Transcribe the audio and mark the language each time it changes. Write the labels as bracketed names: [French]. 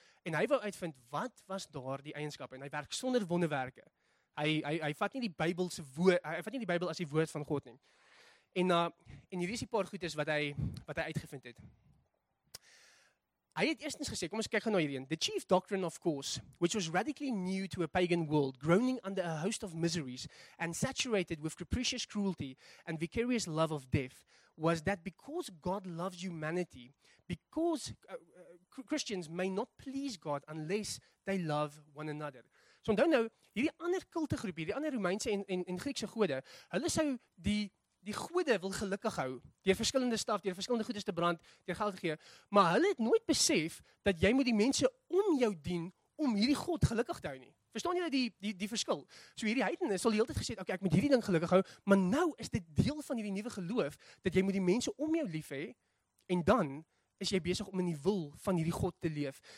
[Afrikaans] En hy wou uitvind, wat was daar die eienskap? En hy werk sonder wonderwerke. Hy vat nie die Bybel se woord, hy vat nie die Bybel as die woord van God nie. En hier is die paar goedes wat hy uitgevind het. Hy het eerstens gesê, kom ons kyk gaan na hierdie een. [English] The chief doctrine of course, which was radically new to a pagan world, groaning under a host of miseries and saturated with capricious cruelty and vicarious love of death, was that because God loves humanity, because Christians may not please God unless they love one another. [Afrikaans] So onthou nou, hierdie ander kulte groep, hierdie ander Romeinse en Griekse gode, hulle sou die gode wil gelukkig hou, deur verskillende staf, deur verskillende goedes te brand, deur geld te gee, maar hulle het nooit besef dat jy moet die mense om jou dien om hierdie God gelukkig te hou nie. Verstaan julle die verskil? So hierdie heidene sal die hele tyd gesê, okay, ek moet hierdie ding gelukkig hou, maar nou is dit deel van hierdie nuwe geloof, dat jy moet die mense om jou lief hê, en dan is jy besig om in die wil van hierdie God te leef.